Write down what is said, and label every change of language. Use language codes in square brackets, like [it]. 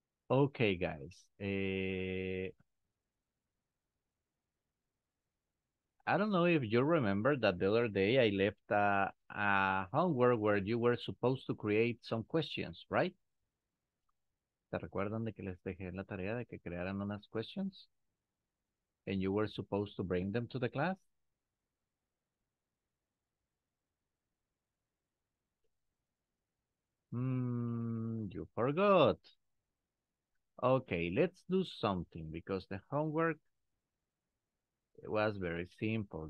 [en] Okay, guys. I don't know if you remember that the other day I left a homework where you were supposed to create some questions, right? [es] ¿Te recuerdan de que les dejé la tarea de que crearan unas questions? [en] And you were supposed to bring them to the class? Mm, you you forgot. Okay, let's do something because the homework was very simple.